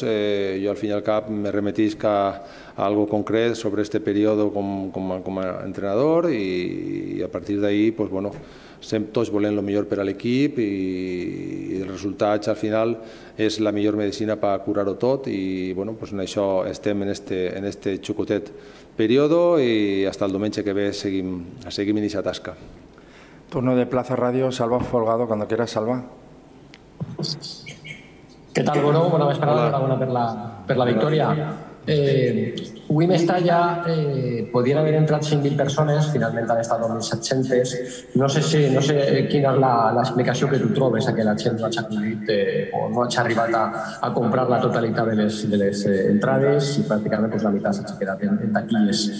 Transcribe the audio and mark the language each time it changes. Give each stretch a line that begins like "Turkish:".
Catalan: Jo al fin i al cap me remetisc a algo concret sobre este període com a entrenador i a partir d'ahí, pues, bueno, tots volem el millor per a l'equip i el resultat al final és la millor medicina per curar-ho tot i bueno, pues, en això estem en este xucotet període i fins al diumenge que ve seguim en aquesta tasca.
Spanish: Turno de Plaza Radio, Salva Folgado, cuando quieras, Salva.
Catalan: Què tal, Goro? Bona vesprada, enhorabona per la victòria. Avui Mestalla podien haver entrat 5.000 persones, finalment han estat 1.700. No sé quina és l'explicació que tu trobes, que la gent no hagi acudit o no hagi arribat a comprar la totalitat de les entrades i pràcticament pues, la meitat s'ha quedat en taquilles.